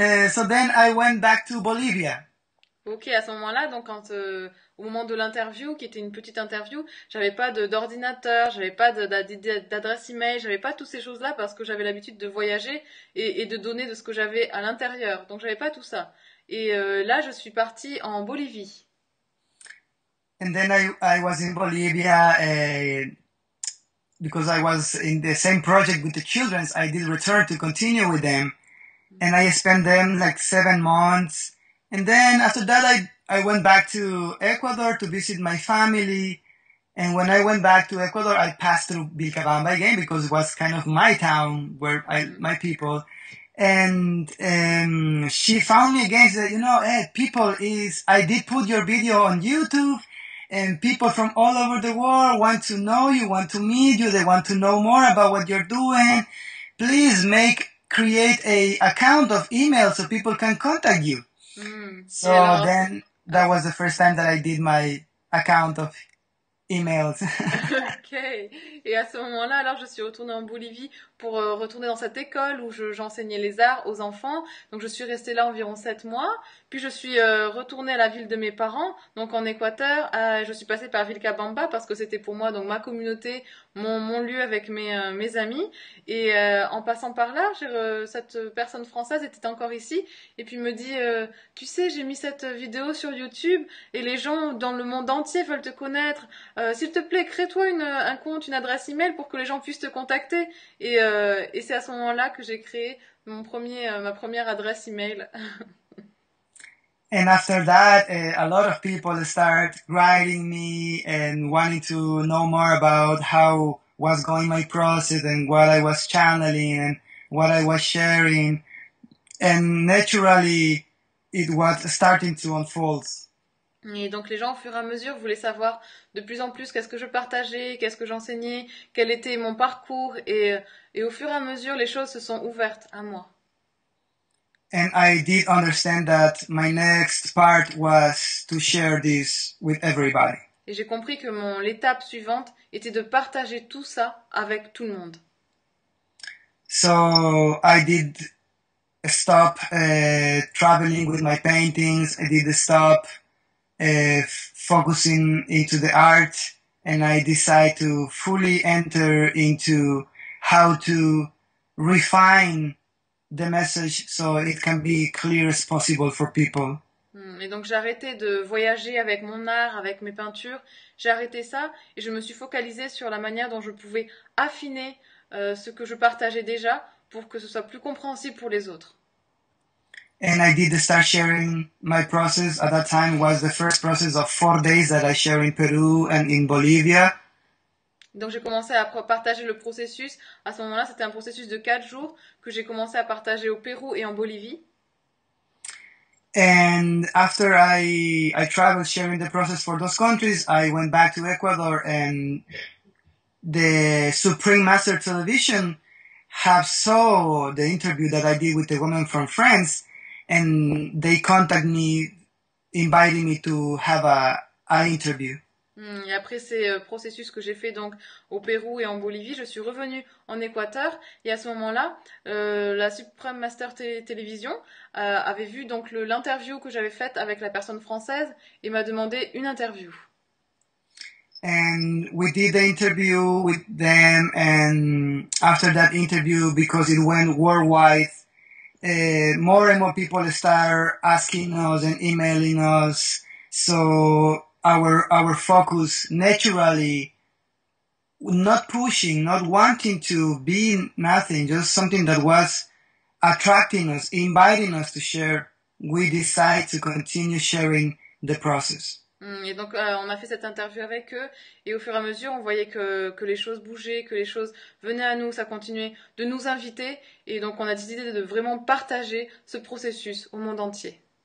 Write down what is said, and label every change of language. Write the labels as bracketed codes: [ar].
[en] So then I went back to Bolivia. [fr] Ok, à ce moment-là, donc au moment de l'interview, qui était une petite interview, j'avais pas d'ordinateur, j'avais pas d'adresse email, j'avais pas toutes ces choses-là parce que j'avais l'habitude de voyager et de donner de ce que j'avais à l'intérieur. Donc j'avais pas tout ça. Et là, je suis partie en Bolivie. [en] And then I was in Bolivia because I was in the same project with the children. I did return to continue with them, and I spent them like 7 months. And then after that, I went back to Ecuador to visit my family. And when I went back to Ecuador, I passed through Vilcabamba again because it was kind of my town where my people. And she found me again. She said, "You know, hey, people is I did put your video on YouTube." And people from all over the world want to know you, want to meet you, they want to know more about what you're doing. Please create a account of email so people can contact you. [fr] Et [en] So [fr] alors, [en] then that was the first time that I did my account of emails. [fr] Ok, et à ce moment-là, alors je suis retournée en Bolivie pour retourner dans cette école où j'enseignais les arts aux enfants. Donc je suis restée là environ 7 mois. Puis je suis retournée à la ville de mes parents, donc en Équateur. Je suis passée par Vilcabamba parce que c'était pour moi donc ma communauté, mon lieu avec mes amis. Et en passant par là, cette personne française était encore ici et puis me dit, tu sais, j'ai mis cette vidéo sur YouTube et les gens dans le monde entier veulent te connaître. S'il te plaît, crée-toi un compte, une adresse email pour que les gens puissent te contacter. Et c'est à ce moment-là que j'ai créé ma première adresse email. [en] And after that, a lot of people start writing me and wanting to know more about how was going my process and what I was channeling and what I was sharing. And naturally, it was starting to unfold. [fr] Et donc les gens au fur et à mesure voulaient savoir de plus en plus qu'est-ce que je partageais, qu'est-ce que j'enseignais, quel était mon parcours et au fur et à mesure les choses se sont ouvertes à moi. [en] And I did understand that my next part was to share this with everybody. [fr] Et j'ai compris que l'étape suivante était de partager tout ça avec tout le monde. [en] So I did stop traveling with my paintings. I did stop focusing into the art, and I decided to fully enter into how to refine the message so it can be clear as possible for people. [fr] Et donc j'ai arrêté de voyager avec mon art, avec mes peintures, j'ai arrêté ça et je me suis focalisée sur la manière dont je pouvais affiner ce que je partageais déjà pour que ce soit plus compréhensible pour les autres. [en] And I did start sharing my process. At that time was the first process of 4 days that I share in Peru and in Bolivia. [fr] Donc j'ai commencé à partager le processus. À ce moment-là, c'était un processus de 4 jours que j'ai commencé à partager au Pérou et en Bolivie. [en] And after I traveled sharing the process for those countries, I went back to Ecuador, and the Supreme Master Television have saw the interview that I did with the woman from France, and they contacted me, inviting me to have a interview. [fr] Et après ces processus que j'ai fait donc au Pérou et en Bolivie, je suis revenue en Équateur. Et à ce moment-là, la Supreme Master Télévision avait vu donc l'interview que j'avais faite avec la personne française et m'a demandé une interview. [en] And we did the interview with them, and after that interview, because it went worldwide, more and more people start asking us and emailing us. So our focus naturally, not pushing, not wanting to be nothing, just something that was attracting us, inviting us to share, we decide to continue sharing the process. [fr] Et donc, on a fait cette interview avec eux, et au fur et à mesure, on voyait que les choses bougeaient, que les choses venaient à nous, ça continuait de nous inviter, et donc on a décidé de vraiment partager ce processus au monde entier.